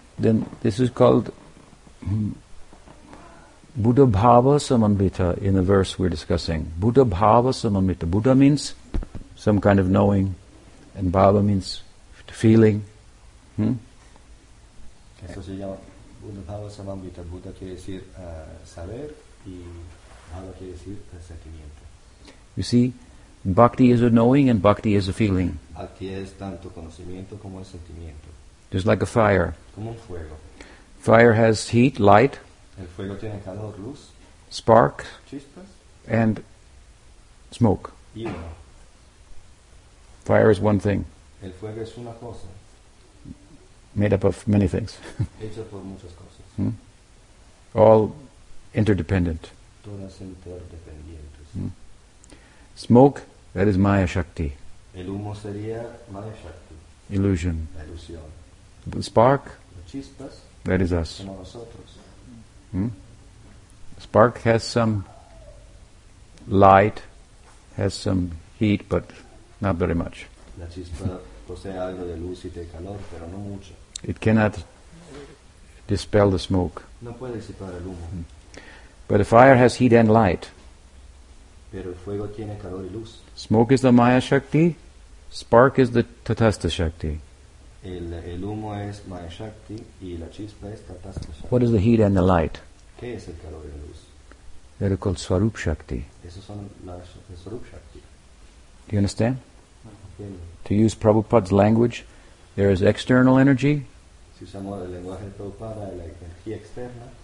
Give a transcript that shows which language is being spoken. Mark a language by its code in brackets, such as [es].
[en] then this is called Buddha Bhava Samanvita in the verse we're discussing. Buddha Bhava Samanvita. Buddha means some kind of knowing, and Bhava means feeling. [es] Eso se llama Buddha Bhava Samanvita. Buddha quiere decir saber y Bhava quiere decir sentimiento. [en] You see, bhakti is a knowing and bhakti is a feeling. [es] Bhakti es tanto conocimiento como el sentimiento. [en] Just like a fire. [es] Como un fuego. [en] Fire has heat, light. [es] El fuego tiene calor, luz. [en] Spark. [es] Chispas. [en] And smoke. [es] uno. [en] Fire is one thing. [es] El fuego es una cosa. [en] Made up of many things. [es] Hecho por muchas cosas. [en] Hmm? All interdependent. [es] Todas interdependientes. [en] Hmm? Smoke, that is Maya Shakti. [es] El humo sería Maya Shakti. [en] Illusion. [es] La ilusión. [en] The spark, [es] las chispas, [en] that is us. [es] Somos nosotros. Hmm? [en] Spark has some light, has some heat, but not very much. [es] La chispa posee algo de luz y de calor, pero no mucho. [en] It cannot dispel the smoke. [es] No puede disipar el humo. [en] But a fire has heat and light. [es] Pero el fuego tiene calor y luz. [en] Smoke is the Maya Shakti, spark is the Tatastha Shakti. [es] El humo es Maya Shakti y la chispa es Tatastha Shakti. [en] What is the heat and the light? [es] ¿Qué es el calor y la luz? [en] They're called Swarup Shakti. [es] Esos son las Swarup Shakti. [en] Do you understand? To use Prabhupada's language, there is external energy, [es] si usamos el lenguaje de Prabhupada, la energía externa,